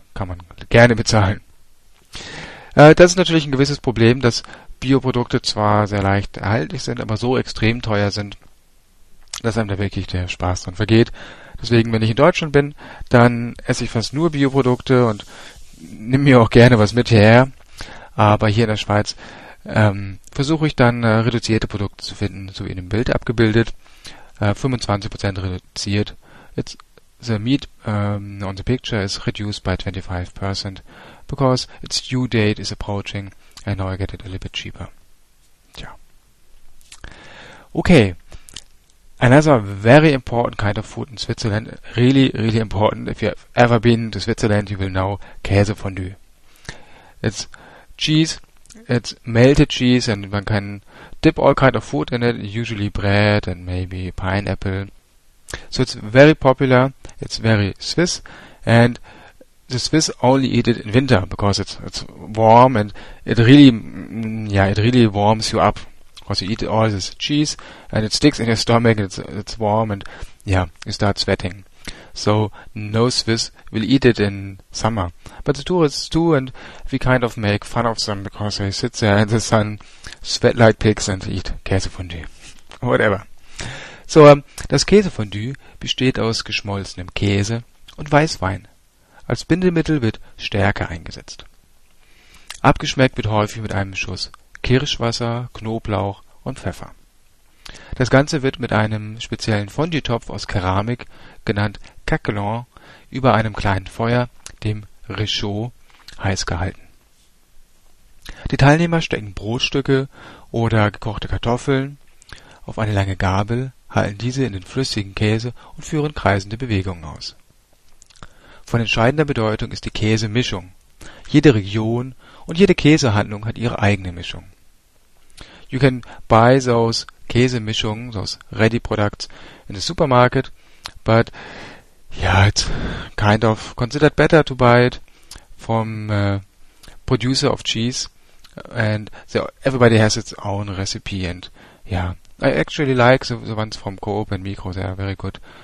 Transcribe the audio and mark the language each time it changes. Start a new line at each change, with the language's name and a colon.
German: Kann man gerne bezahlen. Das ist natürlich ein gewisses Problem, dass Bioprodukte zwar sehr leicht erhältlich sind, aber so extrem teuer sind, dass einem da wirklich der Spaß dran vergeht. Deswegen, wenn ich in Deutschland bin, dann esse ich fast nur Bioprodukte und nimm mir auch gerne was mit her. Aber hier in der Schweiz versuche ich dann reduzierte Produkte zu finden, so wie in dem Bild abgebildet. 25% reduziert.
English: It's the meat on the picture is reduced by 25% because its due date is approaching and now I get it a little bit cheaper. Tja. Okay. Another very important kind of food in Switzerland, really, really important. If you have ever been to Switzerland, you will know Käsefondue. It's cheese, it's melted cheese, and one can dip all kind of food in it, usually bread and maybe pineapple. So it's very popular, it's very Swiss, and the Swiss only eat it in winter, because it's warm, and it really warms you up. Because you eat all this cheese, and it sticks in your stomach, and it's warm, and yeah, you start sweating. So no Swiss will eat it in summer. But the tourists do, and we kind of make fun of them, because they sit there in the sun, sweat like pigs, and eat Käsefondue. Whatever.
German: So, das Käsefondue besteht aus geschmolzenem Käse und Weißwein. Als Bindemittel wird Stärke eingesetzt. Abgeschmeckt wird häufig mit einem Schuss Kirschwasser, Knoblauch und Pfeffer. Das Ganze wird mit einem speziellen Fondue-Topf aus Keramik, genannt Caquelon, über einem kleinen Feuer, dem Réchaud, heiß gehalten. Die Teilnehmer stecken Brotstücke oder gekochte Kartoffeln auf eine lange Gabel, halten diese in den flüssigen Käse und führen kreisende Bewegungen aus. Von entscheidender Bedeutung ist die Käsemischung. Jede Region und jede Käsehandlung hat ihre eigene Mischung.
English: You can buy those Käsemischungen, those ready products in the supermarket, but yeah, it's kind of considered better to buy it from a producer of cheese and everybody has its own recipe and yeah, I actually like the ones from Coop and Mikro, they are very good.